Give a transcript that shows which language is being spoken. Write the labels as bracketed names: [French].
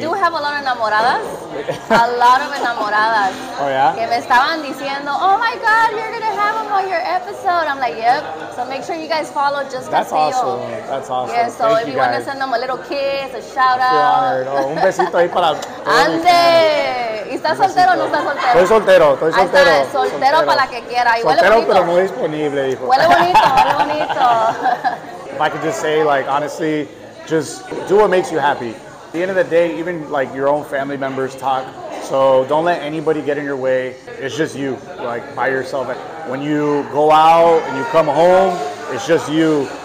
[English] You do have a lot of enamoradas. A lot of enamoradas. Oh, yeah? Que me estaban diciendo, oh, my God, you're going to have them on your episode. I'm like, yep. So make sure you guys follow Just That's Castillo. That's awesome. Yeah, so thank if you guys. Want to send them a little kiss, a shout-out. [Spanish] Oh, un besito ahí para... ¡Ande! ¿Estás soltero o no estás soltero? Estoy soltero. Ahí está, soltero para la que quiera. Y soltero, huele bonito. Pero no disponible, hijo. Huele bonito. [English] If I could just say, like, honestly, just do what makes you happy. At the end of the day, even, like, your own family members talk. So don't let anybody get in your way. It's just you, like, by yourself. When you go out and you come home, it's just you.